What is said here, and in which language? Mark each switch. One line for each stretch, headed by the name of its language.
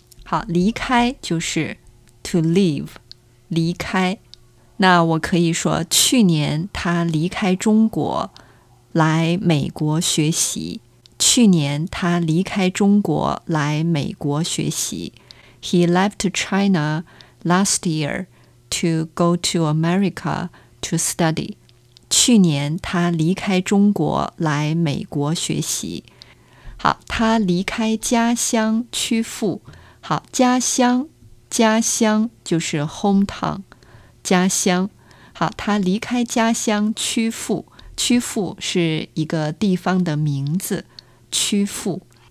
Chinese: 好，离开就是
English: to leave,
Chinese: 离开。那我可以说去年他离开中国来美国学习。去年他离开中国来美国学习。
English: He left China last year to go to America to study.
Chinese: 去年他离开中国来美国学习。好，他离开家乡趋父。好，家乡就是 hometown, 家乡。好，他离开家乡趋父。趋父是一个地方的名字，趋父。